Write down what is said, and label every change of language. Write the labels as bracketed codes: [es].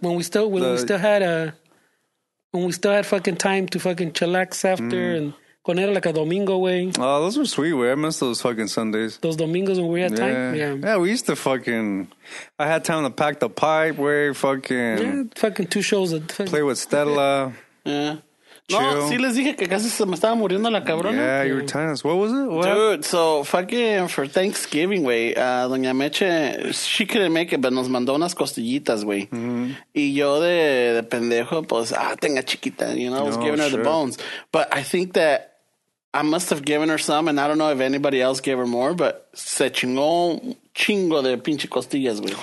[en] When we still had fucking time to fucking chillax after and go [es] poner like a domingo, güey. [en] Oh, those were sweet, güey. I miss those fucking Sundays. Those domingos when we had time. Yeah. Yeah, we used to fucking... I had time to pack the pipe, güey. Fucking... Yeah, fucking two shows. Play with Stella. Yeah. [es] No, sí les dije que casi se me estaba muriendo la cabrona. [en] Yeah, you were telling us. What was it? What? Dude, so fucking for Thanksgiving, güey, Doña Meche, she couldn't make it, but [es] nos mandó unas costillitas, güey. [en] Mm-hmm. [es] Y yo de pendejo, pues, tenga chiquita, [en] you know, I was giving her the bones. But I think that I must have given her some, and I don't know if anybody else gave her more, but [es] se chingó un chingo de pinche costillas, güey.